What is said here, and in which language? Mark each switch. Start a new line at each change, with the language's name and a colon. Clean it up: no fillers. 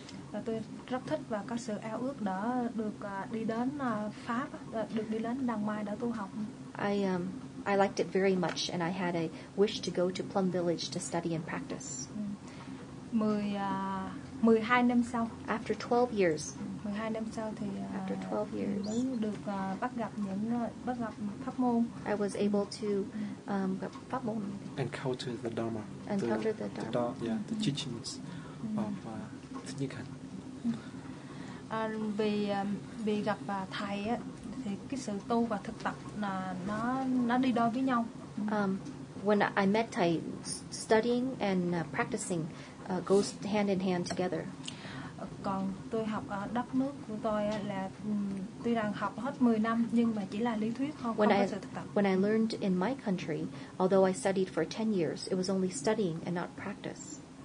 Vietnamese: Và tôi rất thích và có sự ao ước đã được đi đến Pháp, được đi đến Đàng Mai đã tu học.
English: I liked it very much and I had a wish to go to Plum Village to study and practice.
Vietnamese: 12 năm sau.
English: After 12 years.
Vietnamese: 12 năm sau thì
English: after 12 years,
Vietnamese: được bắt gặp những bắt gặp pháp môn.
English: I was able to
Vietnamese: gặp pháp môn.
English: Encounter the Dharma. Encounter the Dharma. The teachings of Thích Nhất Hạnh.
Vietnamese: Vì gặp thầy á thì cái sự tu và thực tập là nó đi đôi với nhau.
English: When I met thầy, studying and practicing goes hand in hand together.
Vietnamese: Còn tôi học ở đất nước của tôi là tuy rằng học hết 10 năm nhưng mà chỉ là lý thuyết không, không có sự thực tập.
English: When I learned in my country, although I studied for 10 years, it was only studying and not practice.